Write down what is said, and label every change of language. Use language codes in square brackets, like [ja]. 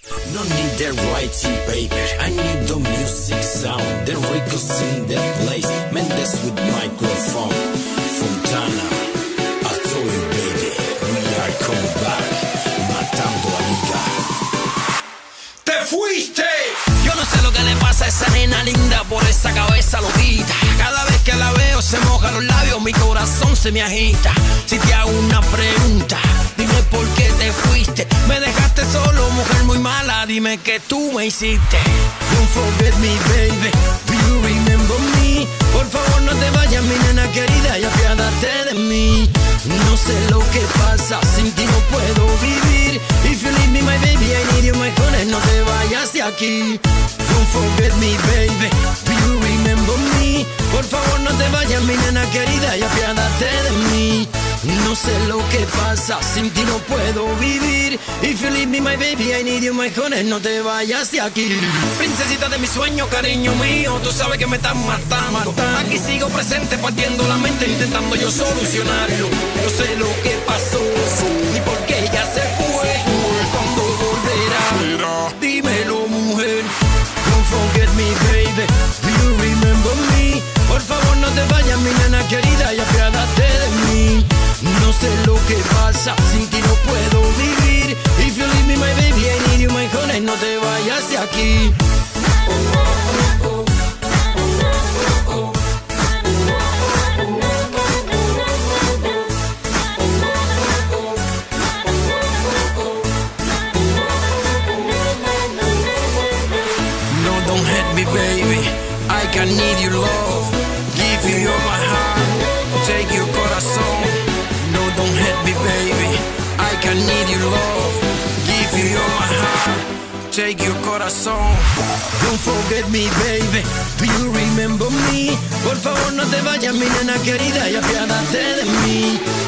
[en] No need the writing paper, I need the music sound. The records in the place, Mendes with microphone. Fontana, I told you baby, we are coming back. [es] Matando a Liga. ¡Te fuiste! Yo no sé lo que le pasa a esa nena linda por esa cabeza loquita. Cada vez que la veo se moja los labios, mi corazón se me agita. Si te hago una pregunta, dime por qué te fuiste. Me dejaste solo, mujer muy mala, dime qué tú me hiciste. [en] Don't forget me, baby, do you remember me? [es] Por favor no te vayas, mi nena querida, y apiádate de mí. No sé lo que pasa, sin ti no puedo vivir. [en] If you leave me, my baby, I need you, my honey, [es] no te vayas de aquí. [en] Don't forget me, baby, do you remember me? [es] Por favor no te vayas, mi nena querida, y apiádate de mí. No sé lo que pasa, sin ti no puedo vivir. [en] If you leave me, my baby, I need you, my honey, [es] no te vayas de aquí. Princesita de mi sueño, cariño mío, tú sabes que me estás matando. Aquí sigo presente, partiendo la mente, intentando yo solucionarlo. No sé lo que pasó, ni por qué ella se fue. ¿Cuándo volverá? Dímelo, mujer. [en] Don't forget me, baby, do you remember me? [es] Por favor no te vayas, mi nena querida, y apiádate de mí. No sé lo que pasa, sin ti no puedo vivir. [en] If you leave me, my baby, I need you, my honey, [es] no te vayas de aquí. [en] No, don't hurt me, baby, I can need you, love. Give you your my heart, take your corazón. Don't hurt me, baby, I can need your love. Give you your heart, take your corazón. Don't forget me, baby, do you remember me? [es] Por favor no te vayas, mi nena querida, y apiádate de mí.